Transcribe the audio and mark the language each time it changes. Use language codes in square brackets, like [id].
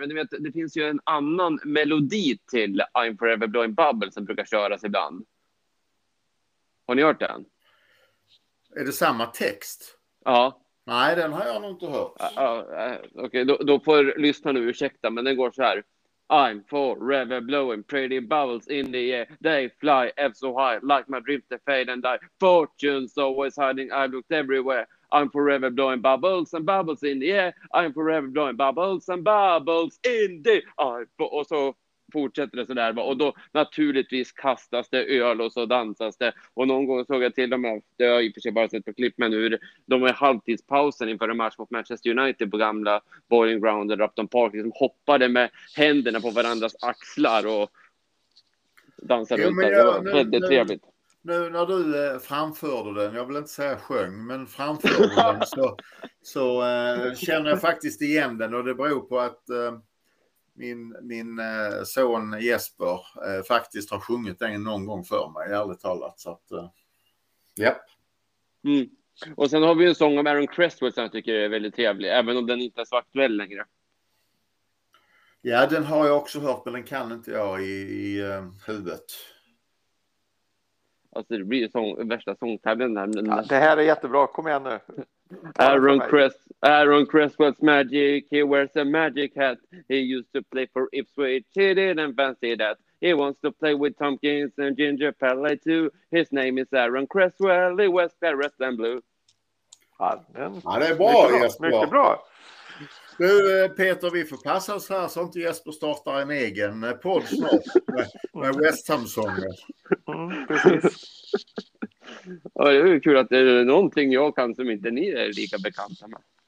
[sv] Men du vet, det finns ju en annan melodi till I'm Forever Blowing Bubbles som brukar köras ibland. Har ni hört den? Är det samma text? Ja. Nej, den har jag nog inte hört. Okej, då får lyssna nu, ursäkta, men den går så här. [en] I'm forever blowing pretty bubbles in the air. They fly ever so high, like my dreams they fade and die. Fortune's always hiding, I've looked everywhere. I'm forever blowing bubbles and bubbles in the air. I'm forever blowing bubbles and bubbles in the air. [sv] Och så fortsätter det så där. Och då naturligtvis kastas det öl och så dansas det. Och någon gång såg jag till dem, det har jag i och för sig bara sett på klipp, men hur de är i halvtidspausen inför en match mot Manchester United på gamla Boiling Ground eller Upton Park, liksom hoppade med händerna på varandras axlar och dansade runt. Det var väldigt trevligt. Nu när du framförde den, jag vill inte säga sjöng, men framförde den, så känner jag faktiskt igen den. Och det beror på att min son Jesper faktiskt har sjungit den någon gång för mig, ärligt talat. Så att, yep. Och sen har vi en sång om Aaron Cresswell som jag tycker är väldigt trevlig, även om den inte är så aktuell längre. Ja, den har jag också hört, men den kan inte jag i huvudet. Alltså, det blir sång, värsta Ja, sångtävlingen det här är jättebra. Kom igen nu. Tala för Aaron mig. [en] Cress, Aaron Cresswell's magic, he wears a magic hat. He used to play for Ipswich, he didn't fancy that. He wants to play with Tompkins and Ginger Pelle too. His name is Aaron Cresswell, he wears parrots and blue. [sv] Ja, den. Ja, det är Mycket bra, bra, mycket Jesper. bra. Nu, Peter, vi får passa oss här så inte Jesper startar en egen podd snart med West Ham-sånger. Ja, det är ju kul att det är någonting jag kan som inte ni är lika bekanta med.